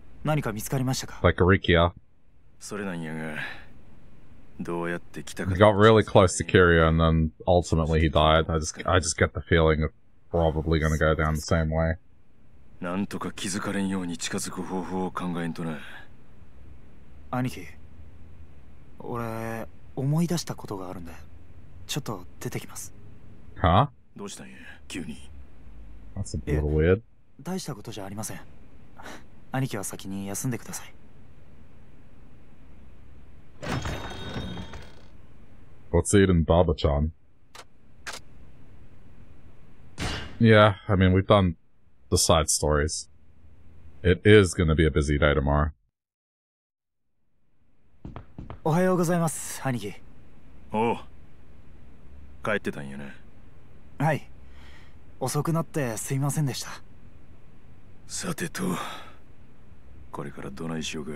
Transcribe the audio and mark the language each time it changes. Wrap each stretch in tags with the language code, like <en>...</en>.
<ja>何か見つかりましたか?</ja> <en>Like Rikia.</en> <ja>それなんやが、どうやって来たか。</ja> <en>He got really close to Kiryu and then ultimately he died. I just get the feeling of... Probably gonna go down the same way.</en> <ja>なんとか気づかれんように近づく方法を考えんとね。兄貴、俺、思い出したことがあるんで、ちょっと出てきます。は? どうしたんや、急に。</ja> <en>That's a little weird.</en> <ja>大したことじゃありません。兄貴は先に休んでください。</ja> <en>What's eating Baba-chan? Yeah, I mean, we've done the side stories. It is gonna be a busy day tomorrow.</en> <ja>おはようございます、兄貴。おう。帰ってたんよね。はい。遅くなってすいませんでした。さてと、これからどないしようか。</ja>